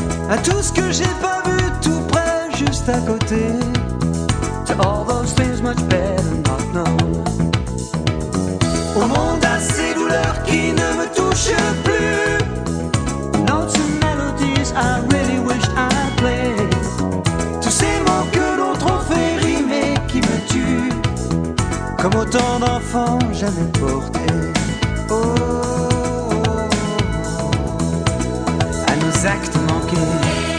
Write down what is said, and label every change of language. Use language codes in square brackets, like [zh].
[fr] À tout ce que j'ai pas vu tout près, juste à côté. [en] To all those things much better not known. [fr] Au monde à ces douleurs qui ne me touchent plus. [en] Notes and melodies I really wish I'd play. [fr] Tous ces mots que l'autre en fait rimer qui me tuent. Comme autant d'enfants jamais portés. Oh, oh, oh, à nos actes manqués.